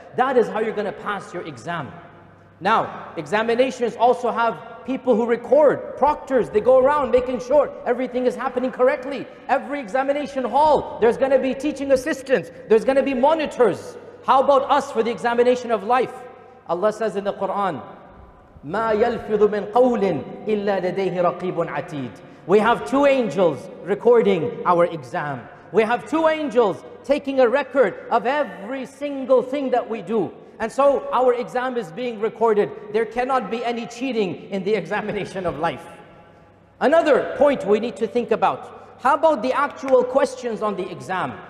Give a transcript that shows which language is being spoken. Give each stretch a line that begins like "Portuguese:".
English: That is how you're going to pass your exam. Now, examinations also have people who record, proctors, they go around making sure everything is happening correctly. Every examination hall, there's going to be teaching assistants, there's going to be monitors. How about us for the examination of life? Allah says in the Quran,
Arabic: مَا يَلْفِظُ مِنْ قَوْلٍ إِلَّا لَدَيْهِ رَقِيبٌ عَتِيدٌ.
English: We have two angels recording our exam. We have two angels taking a record of every single thing that we do. And so our exam is being recorded. There cannot be any cheating in the examination of life. Another point we need to think about. How about the actual questions on the exam?